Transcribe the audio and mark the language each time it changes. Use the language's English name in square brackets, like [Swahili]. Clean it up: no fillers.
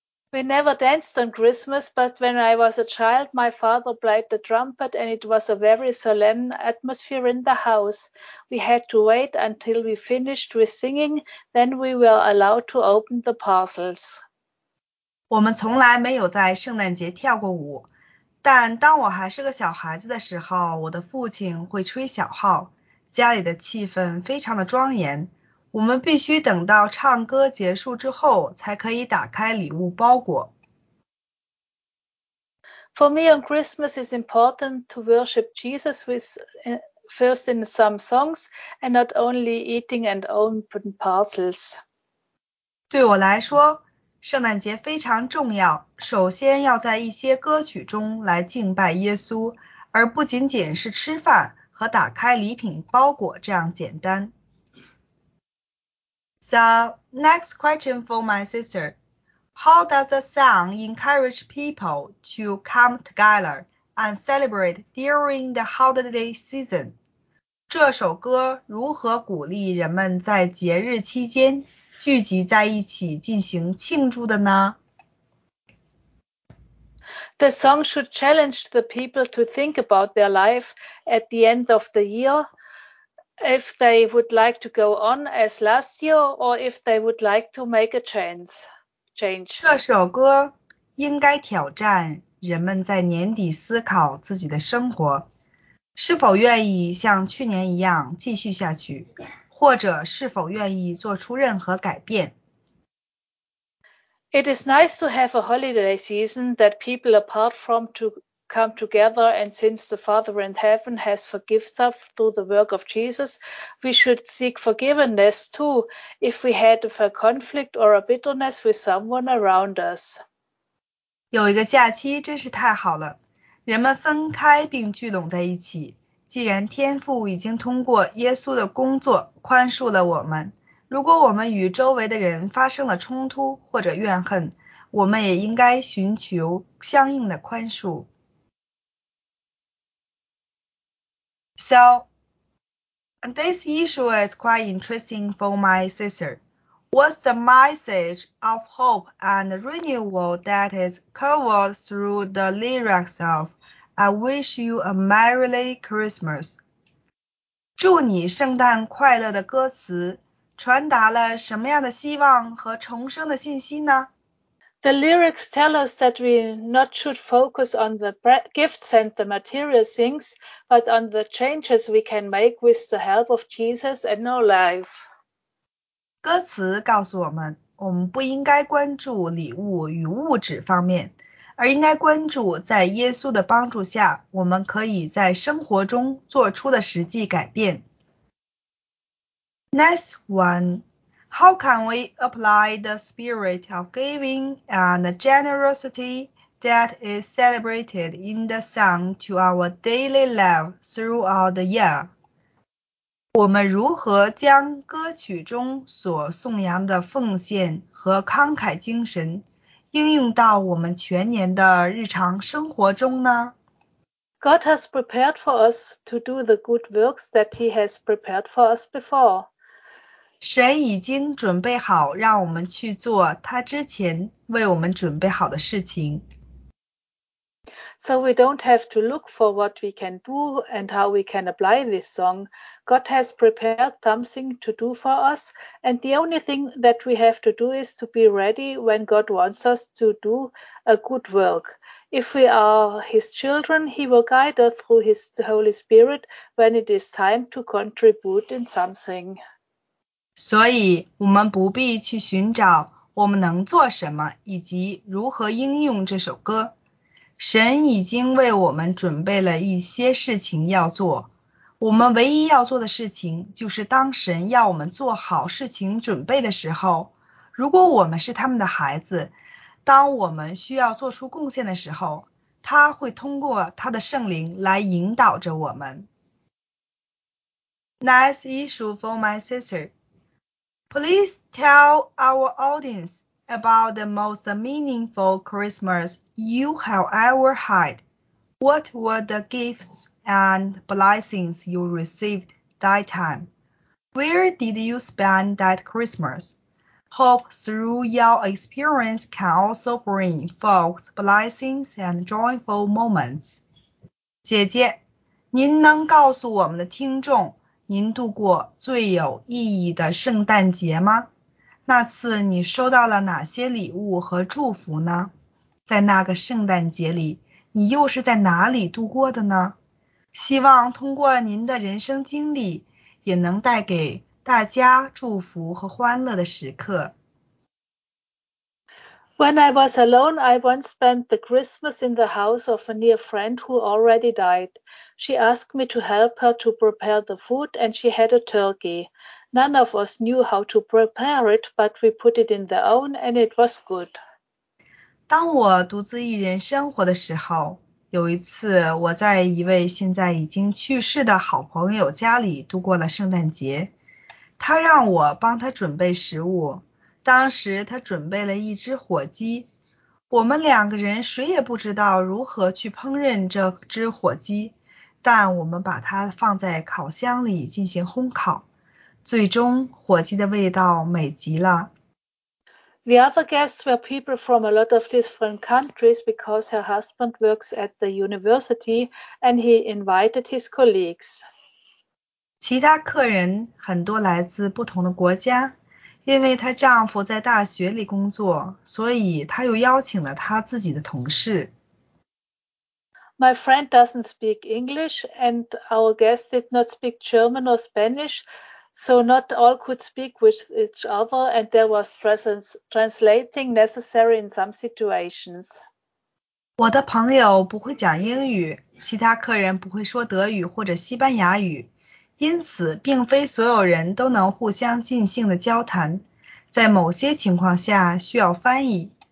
[English] We never danced on Christmas, but when I was a child, my father played the trumpet and it was a very solemn atmosphere in the house. We had to wait until we finished with singing, then we were allowed to open the parcels. [Chinese] 我们从来没有在圣诞节跳过舞，但当我还是个小孩子的时候，我的父亲会吹小号，家里的气氛非常的庄严。我们必须等到唱歌结束之后才可以打开礼物包裹。 [English] For me on Christmas is important to worship Jesus with, first in some songs and not only eating and open parcels. [Chinese] 对我来说，圣诞节非常重要，首先要在一些歌曲中来敬拜耶稣，而不仅仅是吃饭和打开礼品包裹这样简单。 [English] So, next question for my sister. How does the song encourage people to come together and celebrate during the holiday season? [Chinese] 这首歌如何鼓励人们在节日期间聚集在一起进行庆祝的呢？ [English] The song should challenge the people to think about their life at the end of the year. If they would like to go on as last year, or if they would like to make a change. [Chinese] 这首歌应该挑战人们在年底思考自己的生活，是否愿意像去年一样继续下去，或者是否愿意做出任何改变。 [English] It is nice to have a holiday season that people apart from to. Come together, and since the Father in heaven has forgiven us through the work of Jesus, we should seek forgiveness too if we had a conflict or a bitterness with someone around us. [Chinese] 有一个假期真是太好了，人们分开并聚拢在一起。既然天父已经通过耶稣的工作宽恕了我们，如果我们与周围的人发生了冲突或者怨恨，我们也应该寻求相应的宽恕。 [English] So, this issue is quite interesting for my sister. What's the message of hope and renewal that is covered through the lyrics of I Wish You a Merry Christmas? [Chinese] 祝你圣诞快乐的歌词传达了什么样的希望和重生的信息呢？ [English] The lyrics tell us that we not should focus on the gifts and the material things, but on the changes we can make with the help of Jesus and our life. [Chinese] 歌词告诉我们不应该关注礼物与物质方面，而应该关注在耶稣的帮助下，我们可以在生活中做出的实际改变。 [English] Next one. How can we apply the spirit of giving and generosity that is celebrated in the song to our daily life throughout the year? [Chinese] 我们如何将歌曲中所颂扬的奉献和慷慨精神应用到我们全年的日常生活中呢？ [English] God has prepared for us to do the good works that He has prepared for us before. [Chinese] 神已经准备好让我们去做他之前为我们准备好的事情。 [English] So we don't have to look for what we can do and how we can apply this song. God has prepared something to do for us, and the only thing that we have to do is to be ready when God wants us to do a good work. If we are His children, He will guide us through His Holy Spirit when it is time to contribute in something. [Chinese] 所以我们不必去寻找我们能做什么以及如何应用这首歌。神已经为我们准备了一些事情要做，我们唯一要做的事情就是当神要我们做好事情准备的时候，如果我们是他们的孩子，当我们需要做出贡献的时候，他会通过他的圣灵来引导着我们。 [English] Nice issue for my sister. Please tell our audience about the most meaningful Christmas you have ever had. What were the gifts and blessings you received that time? Where did you spend that Christmas? Hope through your experience can also bring folks blessings and joyful moments. [Chinese] 姐姐，您能告诉我们的听众，您度过最有意义的圣诞节吗？那次你收到了哪些礼物和祝福呢？在那个圣诞节里，你又是在哪里度过的呢？希望通过您的人生经历，也能带给大家祝福和欢乐的时刻。 [English] When I was alone, I once spent the Christmas in the house of a near friend who already died. She asked me to help her to prepare the food, and she had a turkey. None of us knew how to prepare it, but we put it in the oven, and it was good. [Chinese] 当我独自一人生活的时候，有一次我在一位现在已经去世的好朋友家里度过了圣诞节。他让我帮他准备食物，当时他准备了一只火鸡，我们两个人谁也不知道如何去烹饪这只火鸡，但我们把它放在烤箱里进行烘烤，最终火鸡的味道美极了。 [English] The other guests were people from a lot of different countries because her husband works at the university and he invited his colleagues. [Chinese] 其他客人很多来自不同的国家，因为她丈夫在大学里工作，所以她又邀请了她自己的同事。 [English] My friend doesn't speak English, and our guest did not speak German or Spanish, so not all could speak with each other, and there was translating necessary in some situations. [Chinese] 我的朋友不会讲英语，其他客人不会说德语或者西班牙语。因此并非所有人都能互相尽兴的交谈，在某些情况下需要翻译。